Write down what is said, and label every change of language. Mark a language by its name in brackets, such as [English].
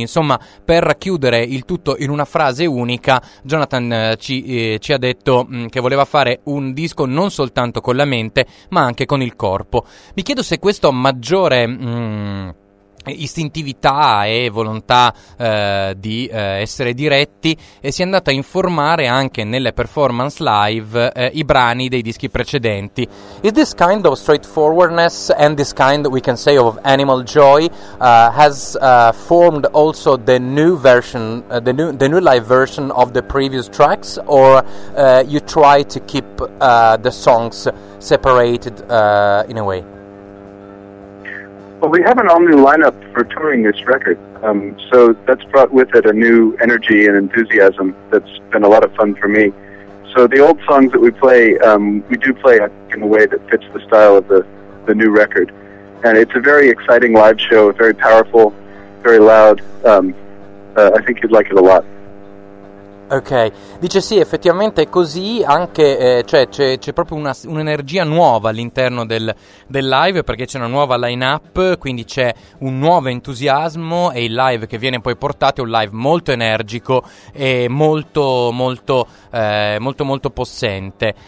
[Italian] Insomma, per chiudere il tutto in una frase unica, Jonathan ci ha detto che voleva fare un disco non soltanto con la mente ma anche con il corpo. Mi chiedo se questo maggiore istintività e volontà di essere diretti, e si è andata a informare anche nelle performance live i brani dei dischi precedenti. [English] Is this kind of straightforwardness and this kind, we can say, of Animal Joy has formed also the new version, the new live version of the previous tracks, or you try to keep the songs separated in a way? Well, we have an all-new lineup for touring this record, so that's brought with it a new energy and enthusiasm that's been a lot of fun for me. So the old songs that we play, we do play in a way that fits the style of the new record. And it's a very exciting live show, very powerful, very loud. I think you'd like it a lot. [Italian] Ok, dice sì, effettivamente è così, anche c'è proprio un'energia nuova all'interno del live, perché c'è una nuova line-up, quindi c'è un nuovo entusiasmo, e il live che viene poi portato è un live molto energico e molto molto molto molto possente.